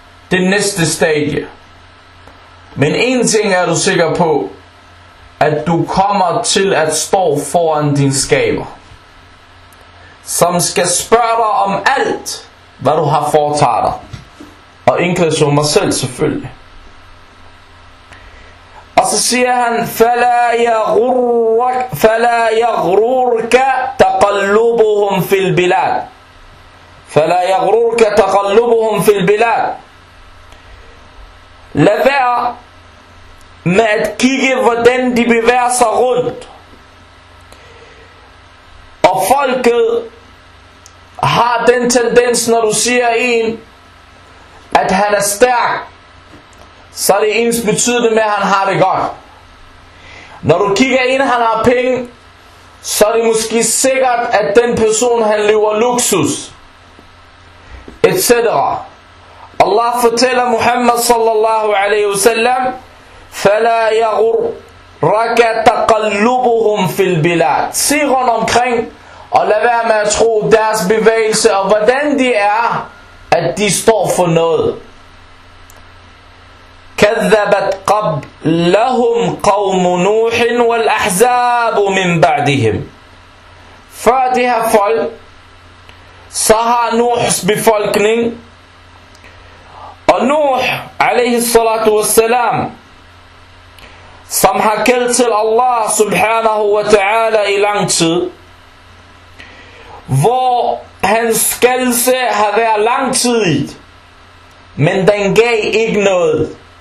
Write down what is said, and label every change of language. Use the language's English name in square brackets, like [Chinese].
[Danish] det næste stadie. Men en ting er du sikker på, at du kommer til at stå foran din skaber, som skal spørge dig om alt, hvad du har foretaget dig. Og inklusive mig selv selvfølgelig. Og så siger han, [Arabic] فَلَا يَغْرُرْكَ تَقَلُّبُهُمْ فِي الْبِلَادِ فَلَا يَغْرُرْكَ تَقَلُّبُهُمْ فِي الْبِلَادِ. [Danish] Lad være med at kigge, hvordan de bevæger sig rundt. Og folket har den tendens, når du siger en, at han er stærk, så er det ens betydende med, at han har det godt. Når du kigger ind, han har penge, så er det måske sikkert, at den person, han lever luksus, etc. Allah fortæller Muhammad [Arabic] sallallahu alaihi wasallam, فَلَا يَغُرَّكَ تَقَلُّبُهُمْ فِي الْبِلَادِ. [Danish] Se rundt omkring, og lad være med at tro deres bevægelse, og hvordan de er, at de står for noget. [Arabic] كذبت قبلهم قوم نوح والأحزاب من بعدهم. [Danish] Før de her folk, så har Nuhs befolkning, og Nuh [Arabic] alayhi salatu wassalam, [Danish] som har kaldt til Allah [Arabic] subhanahu wa ta'ala [Danish] i lang tid, hvor hans kaldelse har været lang tid, men den gav ikke noget.